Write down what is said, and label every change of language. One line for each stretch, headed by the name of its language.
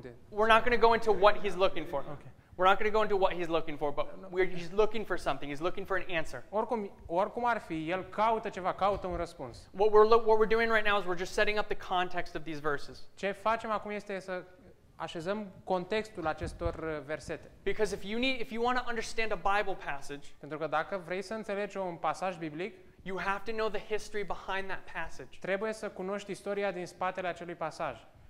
English: We're not going to go into what he's looking for. Okay. We're not going to go into what he's looking for, but he's looking for something. He's looking for an answer.
Romanian: Oricum ar fi, el caută ceva, caută un răspuns.
English: What we're doing right now is we're just setting up the context of these verses.
Romanian: Ce facem acum este să așezăm contextul acestor versete.
English: Because if you want to understand a Bible passage,
Romanian: pentru că dacă vrei să înțelegi un pasaj biblic,
English: you have to know the history behind that passage.
Romanian: Trebuie să cunoști istoria din spatele acelui pasaj.